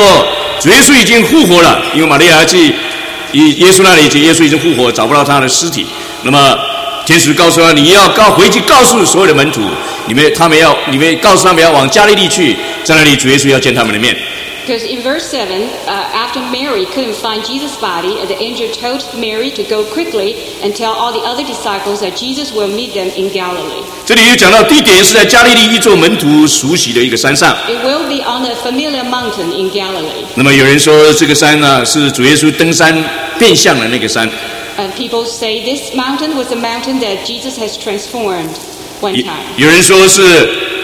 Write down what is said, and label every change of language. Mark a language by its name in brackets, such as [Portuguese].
[Chinese] 在28章第7节那里，当天使告诉这个玛利亚说，主耶稣已经复活了，因为玛利亚去。耶稣那里，耶稣已经复活，找不到他的尸体。那么，天使告诉他，你要告回去告诉所有的门徒，你们告诉他们要往加利利去，在那里主耶稣要见他们的面。 [English] Because in verse 7, after Mary couldn't find Jesus' body, the angel told Mary to go quickly and tell all the other disciples that Jesus will meet them in Galilee. [Chinese] 这里又讲到地点是在加利利一座门徒熟悉的一个山上。 [English] It will be on a familiar mountain in Galilee. [Chinese] 那么有人说这个山呢是主耶稣登山。变相的那个山 [English] People say this mountain was a mountain that Jesus has transformed one time.